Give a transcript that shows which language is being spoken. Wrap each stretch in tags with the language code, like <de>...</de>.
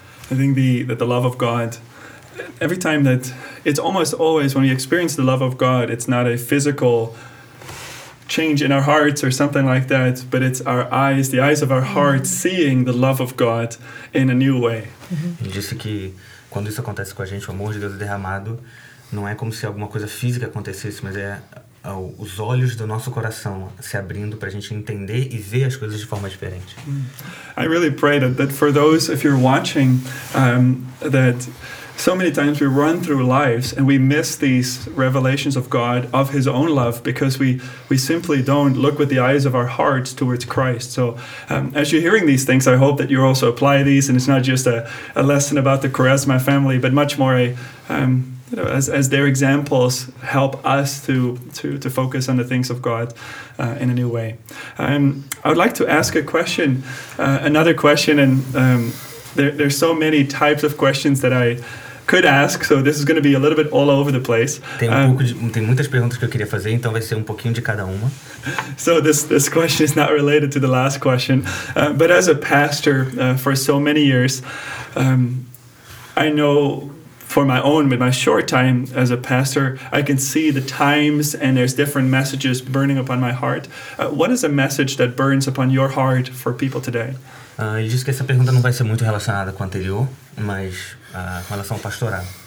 <en>I think that the love of God, every time that it's almost always when we experience the love of God, it's not a physical change in our hearts or something like that, but it's our eyes, the eyes of our heart seeing the love of God in a new way.</en> <pt>Ele disse que quando isso acontece com a gente, o amor de Deus é derramado, não é como se alguma coisa física acontecesse, mas é os olhos do nosso coração se abrindo para a gente entender e ver as coisas de forma diferente.</pt> <en>I really pray that for those, if you're watching, that so many times we run through lives and we miss these revelations of God, of his own love, because we simply don't look with the eyes of our hearts towards Christ. So as you're hearing these things, I hope that you also apply these, and it's not just a lesson about the Quaresma family, but much more as their examples help us to focus on the things of God in a new way. I would like to ask a question, another question, and there's so many types of questions that I could ask, so this is going to be a little bit all over the place.</en> <pt>Tem muitas perguntas que eu queria fazer, então vai ser pouquinho de cada uma.</pt> <en>So this question is not related to the last question, but as a pastor for so many years, I know for my own, with my short time as a pastor, I can see the times and there's different messages burning upon my heart. What is a message that burns upon your heart for people today?</en> <pt>Ele disse que essa pergunta não vai ser muito relacionada com a anterior, mas com relação ao pastoral.</pt>